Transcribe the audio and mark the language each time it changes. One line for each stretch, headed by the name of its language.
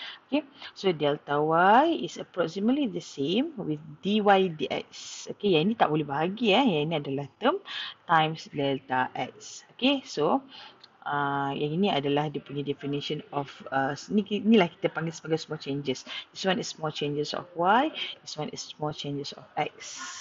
English: Okay, so delta y is approximately the same with dy dx.
Malay: Okay, yang ni tak boleh bahagi eh. Yang ini adalah term times delta x. Okay, so yang ini adalah dia punya definition of inilah kita panggil sebagai small changes.
English: This one is small changes of y, this one is small changes of x.